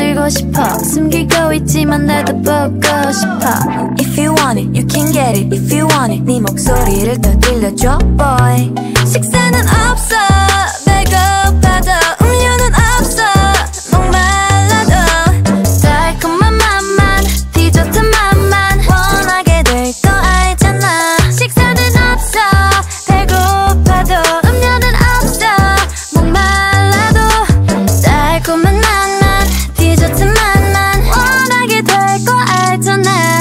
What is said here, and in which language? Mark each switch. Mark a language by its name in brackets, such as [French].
[Korean] 싶어 숨기고 있지만 내다보고 싶어 [English] If you want it, you can get it If you want it, [Korean] 네 목소리를 더 들려줘, [English] boy [Korean] 식사는 없어 배고파도 음료는 없어 목말라도 달콤한 맛만 디저트 맛만 원하게 될 거 알잖아 식사는 없어 배고파도 음료는 없어 목말라도 달콤한 맛만 디저트 맛만 원하게 될 거 알잖아